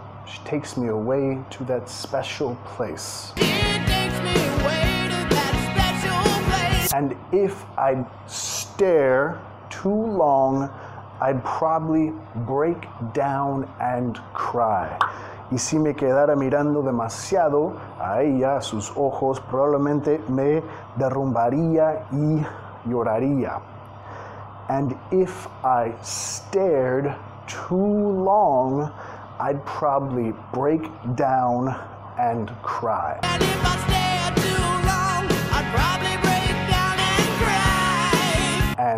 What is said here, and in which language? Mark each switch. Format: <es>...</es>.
<en>She takes me away to that special place. She takes me away to that special place. And if I stare too long, I'd probably break down and cry.</en> <es>Y si me quedara mirando demasiado a ella, a sus ojos, probablemente me derrumbaría y lloraría.</es> <en>And if I stared too long, I'd probably break down and cry. And if I stared too long, I'd probably break down and cry.</en>